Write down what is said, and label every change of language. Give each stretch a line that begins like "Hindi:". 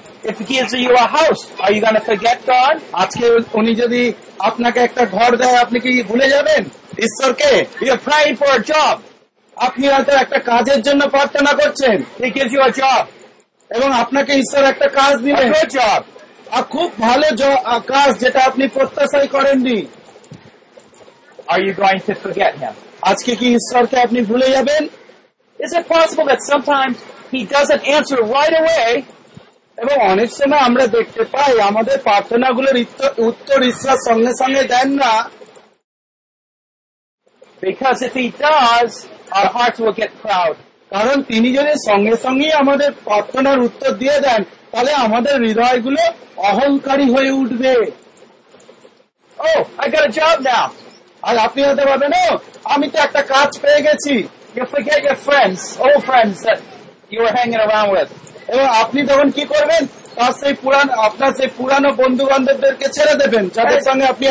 English: If he gives you a house, are you going to forget God?
Bangla: আজকে উনি যদি আপনাকে একটা ঘর দেয়, আপনি কি ভুলে যাবেন ঈশ্বরকে?
English: You are praying for a job.
Bangla: আপনি হয়তো একটা কাজের জন্য প্রার্থনা করছেন।
English: He gives you a job.
Bangla: এবং আপনাকে ঈশ্বর একটা কাজ দিলেন।
English: A good job.
Bangla: আর খুব ভালো কাজ যেটা আপনি প্রত্যাশাই করেননি।
English: Are you going to forget him?
Bangla: আজকে কি ঈশ্বরকে আপনি ভুলে যাবেন?
English: Is it possible that sometimes he doesn't answer right away?
Bangla: এবং অনেক সময় আমরা দেখতে পাই আমাদের প্রার্থনা গুলোর উত্তর ঈশ্বর সঙ্গে সঙ্গে দেন না।
English: Because if he does, our hearts will get proud.
Bangla: কারণ তিনি যদি সঙ্গে সঙ্গে আমাদের প্রার্থনার উত্তর দিয়ে দেন, তাহলে আমাদের হৃদয় গুলো অহংকারী হয়ে উঠবে।
English: Oh, I got a job now.
Bangla: আর আপনি হতে পারবেন, আমি তো একটা কাজ পেয়ে গেছি।
English: You forget your friends, old friends that you were hanging around with.
Bangla: এবং আপনি তখন কি করবেন, তার সেই পুরান আপনার সেই পুরানো বন্ধু বান্ধবদেরকে ছেড়ে দেবেন যাদের সঙ্গে আপনি